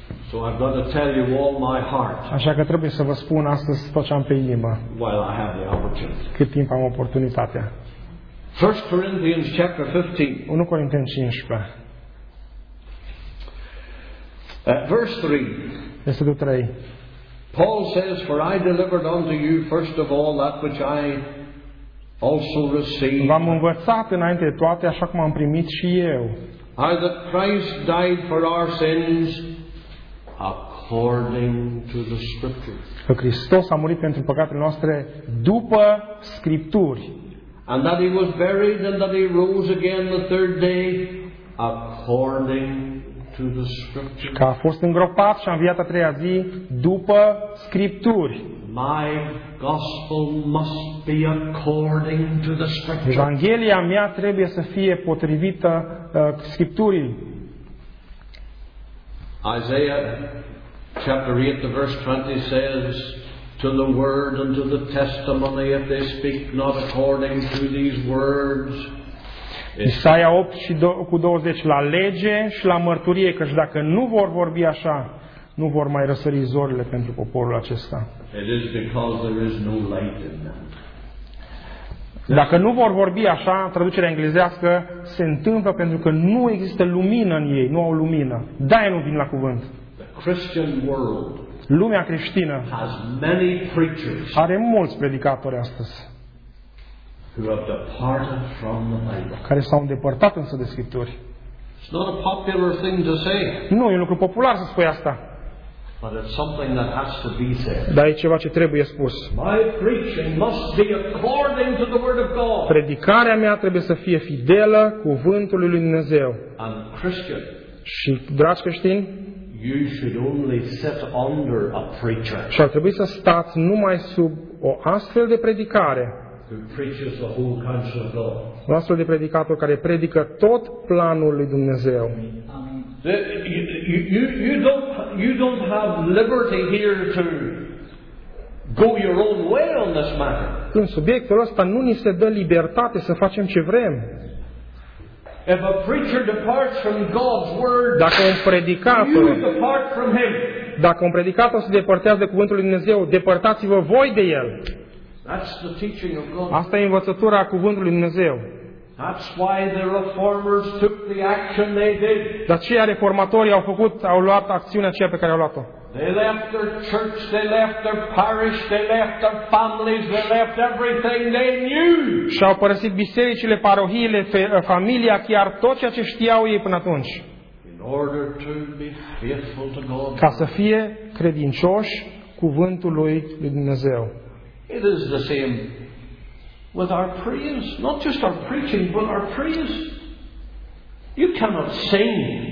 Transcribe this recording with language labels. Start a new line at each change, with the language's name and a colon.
English: So I've got to tell you all my heart.
Romanian: Așa că trebuie să vă spun astăzi tot ce am pe inimă.
English: While I have the opportunity.
Romanian: Cât timp am oportunitatea.
English: 1 Corinthians chapter 15.
Romanian: 1 Corinteni 15.
English: Verse 3.
Romanian: Versetul 3.
English: Paul says, "For I delivered unto you first of all that which I also received."
Romanian: V-am învățat înainte de toate, așa cum am primit și eu.
English: How that Christ died for our sins according to the Scriptures.
Romanian: Că Hristos a murit pentru păcatele noastre după Scripturi.
English: And that he was buried and that he rose again the third day according to the Scriptures.
Romanian: Că a fost îngropat și a înviat a treia zi după Scripturi.
English: My gospel must be according to the Scriptures.
Romanian: Evanghelia mea trebuie să fie potrivită Scripturii.
English: Isaiah chapter 8 verse 20 says, to the word and to the testimony, if they speak not according to these words.
Romanian: Isaia 8 cu 20, la lege și la mărturie, căci dacă nu vor vorbi așa, nu vor mai răsări zorile pentru poporul acesta.
English: It is because there is no light in them.
Romanian: Dacă nu vor vorbi așa, traducerea englezească, se întâmplă pentru că nu există lumină în ei, nu au lumină. De-aia nu vin la cuvânt.
English: The Christian world.
Romanian: Lumea creștină
English: has many preachers
Romanian: are mulți predicatori astăzi
English: who have departed from the Bible.
Romanian: Care s-au îndepărtat însă de Scripturi.
English: It's not a popular thing to say.
Romanian: Nu e un lucru popular să spui asta.
English: But it's something that has to be said.
Romanian: Dar e ceva ce trebuie spus.
English: My preaching must be according to the word of God.
Romanian: Predicarea mea trebuie să fie fidelă cuvântului lui Dumnezeu.
English: And Christian,
Romanian: și dragi creștini,
English: you should only sit under a preacher.
Romanian: Și ar trebui să stați numai sub o astfel de predicare.
English: Who preaches the whole counsel of God.
Romanian: Un astfel de predicator care predică tot planul lui Dumnezeu.
English: You don't have liberty here to go your own way on this matter.
Romanian: În subiectul ăsta nu ni se dă libertate să facem ce vrem.
English: If a preacher departs from God's word,
Romanian: dacă un predicator,
English: you depart from him.
Romanian: Dacă un predicator se depărtează de cuvântul lui Dumnezeu, depărtați-vă voi de el.
English: That's the teaching of God.
Romanian: Asta e învățătura a cuvântului lui Dumnezeu.
English: That's why the reformers took the action they did.
Romanian: De aceea reformatorii au luat acțiunea aceea pe care au luat-o.
English: They left their church, they left their parish, they left their families, they left everything they knew.
Romanian: Și au părăsit bisericile, parohiile, familia, chiar tot ceea ce știau ei până atunci.
English: In order to be faithful to God.
Romanian: Ca să fie credincioși cuvântului lui Dumnezeu.
English: It is the same with our prayers, not just our preaching, but our prayers. You cannot sing